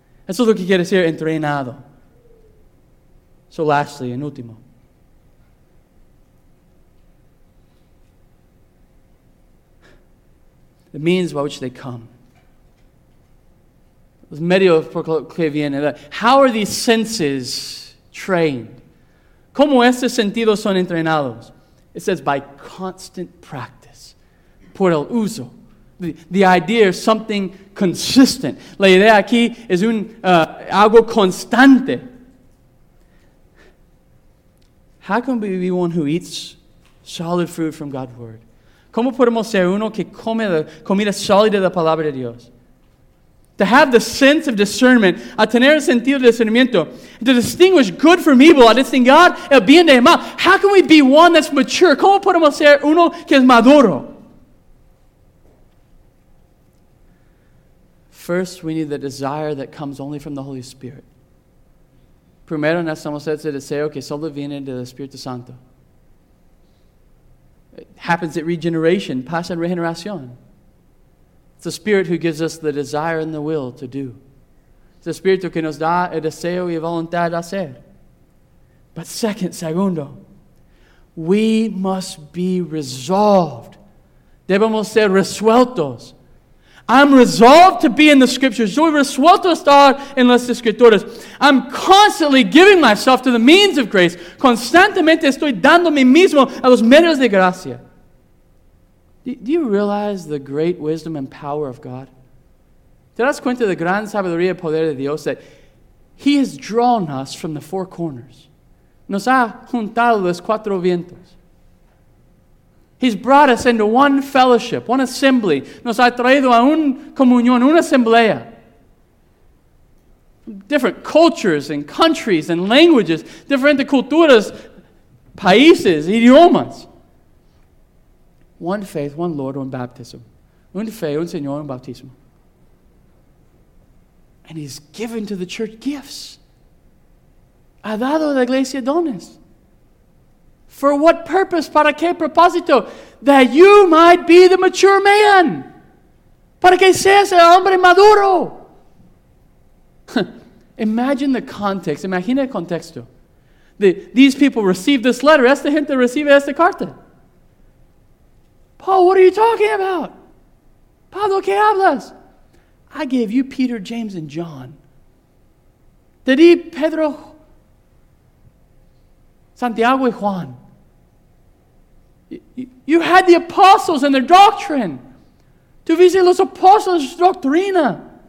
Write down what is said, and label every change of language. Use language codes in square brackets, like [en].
[es] Eso es lo que quiere decir entrenado. [en] So lastly, [es] en último, [en] the means by which they come. [es] Los medios por que vienen. [en] How are these senses trained? [es] ¿Cómo estos sentidos son entrenados? [en] It says by constant practice. [es] Por el uso. [en] The idea is something consistent. [es] La idea aquí es un algo constante. [en] How can we be one who eats solid food from God's word? [es] ¿Cómo podemos ser uno que come la comida sólida de la palabra de Dios? [en] To have the sense of discernment, [es] a tener el sentido de discernimiento, [en] to distinguish good from evil, [es] a distinguir el bien del mal. [en] How can we be one that's mature? [es] ¿Cómo podemos ser uno que es maduro? [en] First, we need the desire that comes only from the Holy Spirit. [es] Primero, necesitamos ese deseo que solo viene del Espíritu Santo. [en] It happens at regeneration, pasa en regeneración. It's the Spirit who gives us the desire and the will to do. It's the Spirit [es] que nos da el deseo y voluntad de hacer. But segundo, [en] we must be resolved. [es] Debemos ser resueltos. [en] I'm resolved to be in the Scriptures. [es] Soy resuelto a estar en las Escrituras. [en] I'm constantly giving myself to the means of grace. [es] Constantemente estoy dando mi mismo a los medios de gracia. [en] Do you realize the great wisdom and power of God? [es] ¿Te das cuenta de la gran sabiduría y poder de Dios? [en] That He has drawn us from the four corners. [es] Nos ha juntado los cuatro vientos. [en] He's brought us into one fellowship, one assembly. [es] Nos ha traído a una comunión, una asamblea. [en] Different cultures and countries and languages. [es] Different culturas, países, idiomas. [en] One faith, one Lord, one baptism. [es] Un fe, un Señor, un bautismo. [en] And He's given to the church gifts. [es] Ha dado a la iglesia dones. [en] For what purpose? [es] Para qué propósito? [en] That you might be the mature man. [es] Para que seas el hombre maduro. [en] Imagine the context. [es] Imagina el contexto. [en] These people receive this letter. [es] Esta gente recibe esta carta. [en] Paul, what are you talking about? [es] Pablo, ¿qué hablas? [en] I gave you Peter, James, and John. [es] Te di Pedro, Santiago, y Juan. [en] You had the apostles and their doctrine. [es] Tuviste los apóstoles su doctrina.